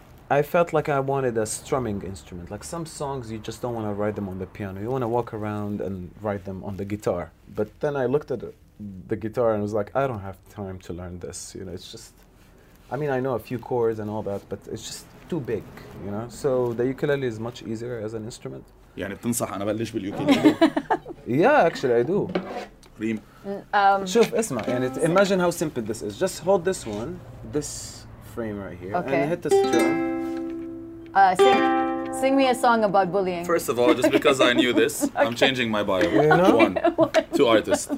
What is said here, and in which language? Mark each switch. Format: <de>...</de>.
<en>I felt like I wanted a strumming instrument. Like some songs, you just don't want to write them on the piano. You want to walk around and write them on the guitar. But then I looked at the guitar and was like, I don't have time to learn this. You know, it's just, I mean, I know a few chords and all that, but it's just too big, you know? So the ukulele is much easier as an instrument.</en> <ar>يعني بتنصح أنا بلش بالukulele.</ar> <en>Yeah, actually I do. Reem.</en> <ar>شوف اسمع, يعني</ar> <en>imagine how simple this is. Just hold this one, this frame right here, okay, and hit the string. Sing me a song about bullying. First of all, just because I knew this, okay, I'm changing my bio. You know? One. Two artists.</en>